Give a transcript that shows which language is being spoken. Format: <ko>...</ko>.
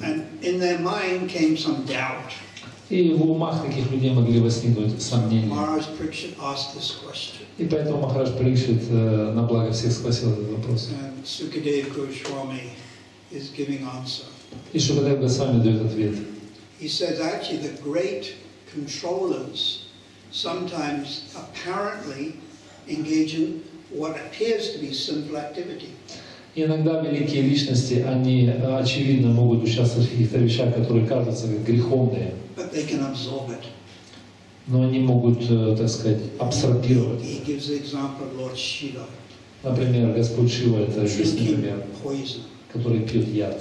<en>And in their mind came some doubt.</en> <ru>И в умах таких людей могли возникнуть сомнения.</ru> <en>Maharaj Pariksit asked this question.</en> <ru>И поэтому Махарадж Парикшит на благо всех спросил этот вопрос.</ru> <en>And Sukadeva Goswami is giving answer.</en> <ru>И Шукадев Госвами дает ответ.</ru> <en>He says actually the great controllers sometimes apparently engage in what appears to be simple activity.</en> <ru>Иногда великие личности, они очевидно могут участвовать в каких-то вещах, которые кажутся как греховные.</ru> <en>But they can absorb it.</en> <ru>Но они могут, так сказать, абсорбировать.</ru> <en>He gives the example of Lord Shiva.</en> <ru>Например, Господь Шива — это известный пример, который пьет яд.</ru>